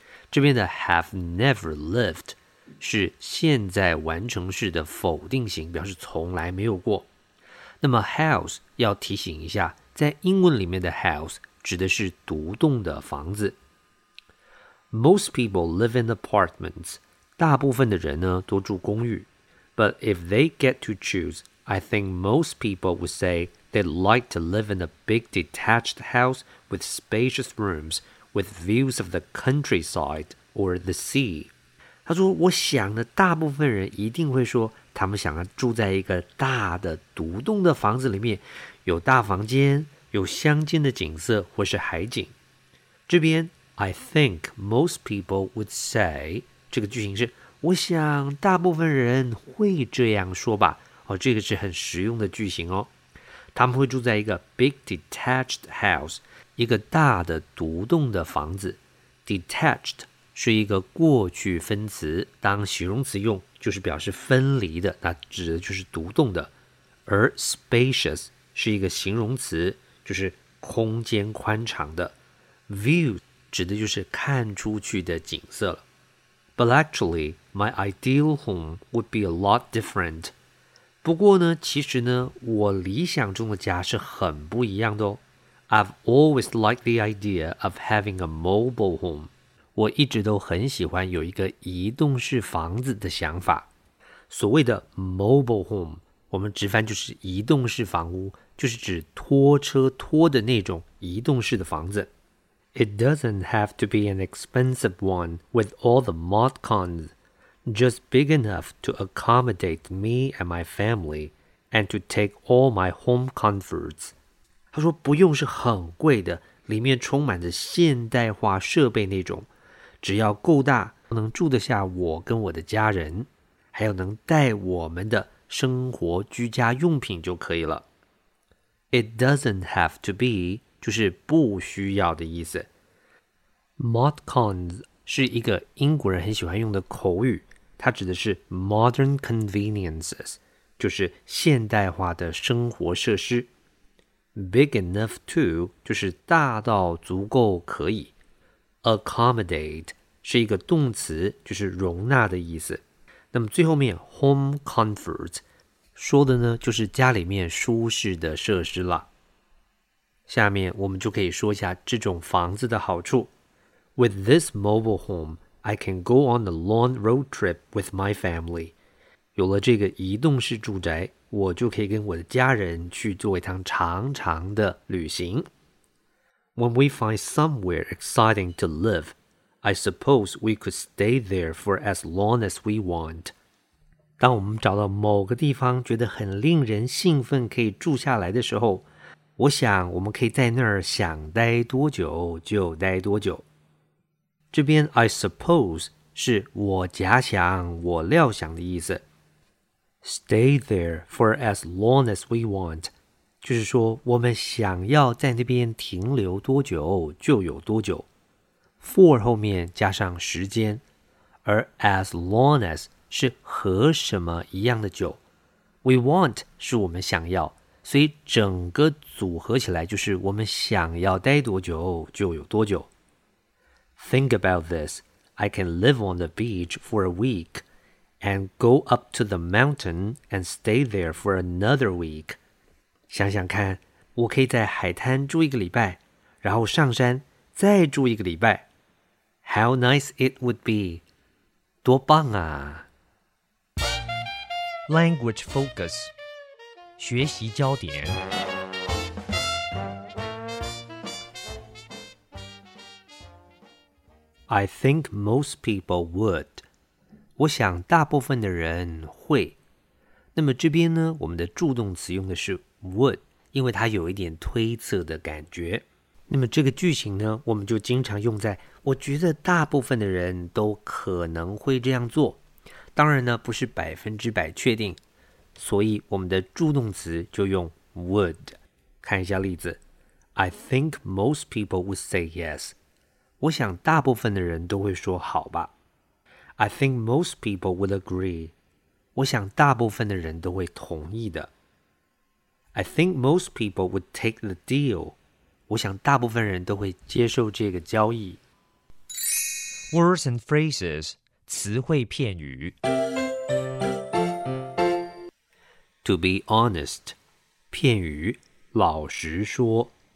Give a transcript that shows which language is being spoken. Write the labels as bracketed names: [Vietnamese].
[Chinese] 这边的 [English] have never lived [Chinese] 是现在完成式的否定型，表示从来没有过。那么 house 要提醒一下，在英文里面的 house指的是独栋的房子。 [English] Most people live in apartments. [Chinese] 大部分的人呢都住公寓。 [English] But if they get to choose, I think most people would say they'd like to live in a big detached house with spacious rooms, with views of the countryside or the sea. [Chinese] 他说我想的大部分人一定会说他们想住在一个大的独栋的房子里面，有大房间，有乡间的景色或是海景。这边 [English] I think most people would say [Chinese] 这个句型是我想大部分人会这样说吧、哦、这个是很实用的句型哦。他们会住在一个 [English] big detached house, [Chinese] 一个大的独栋的房子。 Detached 是一个过去分词，当形容词用就是表示分离的，那指的就是独栋的。而 spacious 是一个形容词，就是空间宽敞的。 View 指的就是看出去的景色了。 [English] But actually, my ideal home would be a lot different. [Chinese] 不过呢，其实呢，我理想中的家是很不一样的哦。 [English] I've always liked the idea of having a mobile home. [Chinese] 我一直都很喜欢有一个移动式房子的想法。所谓的 mobile home, 我们直翻就是移动式房屋，就是指拖车拖的那种移动式的房子。 [English] It doesn't have to be an expensive one with all the mod cons, just big enough to accommodate me and my family and to take all my home comforts. [Chinese] 他说不用是很贵的，里面充满着现代化设备那种，只要够大，能住得下我跟我的家人。还有能带我们的生活居家用品就可以了。 [English] It doesn't have to be [Chinese] 就是不需要的意思。 Modcons 是一个英国人很喜欢用的口语，它指的是 modern conveniences， 就是现代化的生活设施。 [English] Big enough to [Chinese] 就是大到足够可以。 Accommodate 是一个动词，就是容纳的意思。那么最后面 home comfort 说的呢就是家里面舒适的设施了。下面我们就可以说一下这种房子的好处。 [English] With this mobile home, I can go on a long road trip with my family. [Chinese] 有了这个移动式住宅，我就可以跟我的家人去做一趟长长的旅行。 [English] When we find somewhere exciting to live, I suppose we could stay there for as long as we want. [Chinese] 当我们找到某个地方觉得很令人兴奋可以住下来的时候，我想我们可以在那儿想待多久就待多久。这边 [English] I suppose [Chinese] 是我假想我料想的意思。 [English] Stay there for as long as we want [Chinese] 就是说我们想要在那边停留多久就有多久。 For 后面加上时间，而 [English] as long as [Chinese] 是和什么一样的久。 [English] We want [Chinese] 是我们想要，所以整个组合起来就是我们想要待多久就有多久。 [English] Think about this. I can live on the beach for a week and go up to the mountain and stay there for another week. [Chinese] 想想看，我可以在海滩住一个礼拜，然后上山再住一个礼拜。 [English] How nice it would be. [Chinese] 多棒啊。 [English] Language focus. [Chinese] 学习焦点。 [English] I think most people would. [Chinese] 我想大部分的人会。那么这边呢，我们的助动词用的是 would， 因为它有一点推测的感觉。那么这个句型呢，我们就经常用在我觉得大部分的人都可能会这样做。当然呢，不是百分之百确定，所以我们的助动词就用 would。看一下例子 [English] ，I think most people would say yes。 [Chinese] 我想大部分的人都会说好吧。 [English] I think most people would agree. [Chinese] 我想大部分的人都会同意的。 [English] I think most people would take the deal. [Chinese] 我想大部分人都会接受这个交易。 [English] Words and phrases, [Chinese] 词汇片语。 [English] To be honest, [Chinese] 片语，老实说。